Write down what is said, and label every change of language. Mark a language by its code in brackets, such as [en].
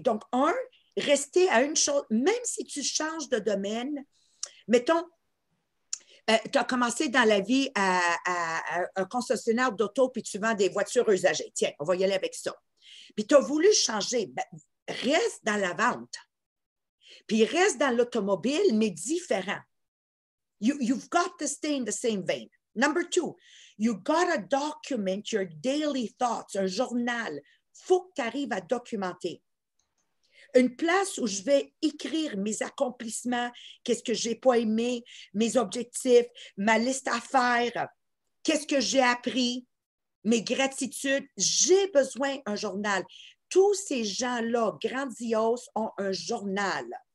[fr] Donc, un, rester à une chose, même si tu changes de domaine, mettons, tu as commencé dans la vie à un concessionnaire d'auto, puis tu vends des voitures usagées. Tiens, on va y aller avec ça. Puis tu as voulu changer, ben, reste dans la vente. Puis reste dans l'automobile, mais différent. [en] You've got to stay in the same vein. Number two, you got to document your daily thoughts, [fr] un journal. Faut que tu arrives à documenter. Une place où je vais écrire mes accomplissements, qu'est-ce que j'ai pas aimé, mes objectifs, ma liste à faire, qu'est-ce que j'ai appris, mes gratitudes. J'ai besoin d'un journal. Tous ces gens-là, grandioses, ont un journal.